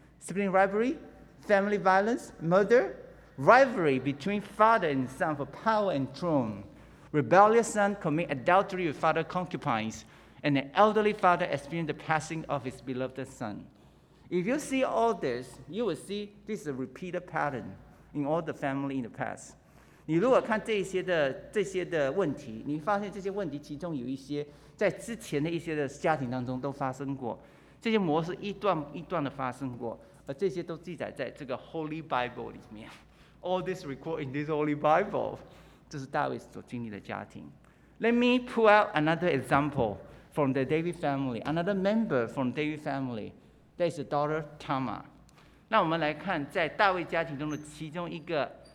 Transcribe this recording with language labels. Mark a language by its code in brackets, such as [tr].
[en] Sibling rivalry, family violence, murder, rivalry between father and son for power and throne. Rebellious son commit adultery with father concubines, and an elderly father experienced the passing of his beloved son. If you see all this, you will see this is a repeated pattern in all the family in the past. [zh] 你如果看这些的问题，你发现这些问题其中有一些在之前的一些的家庭当中都发生过，这些模式一段一段的发生过，而这些都记载在这个 Holy Bible 里面。 [en] All this record in this Holy Bible， [zh] 这是大卫所经历的家庭。 [en] Let me pull out another example from the David family. Another member from David family. That is the daughter Tamar. [zh] 那我们来看在大卫家庭中的其中一个。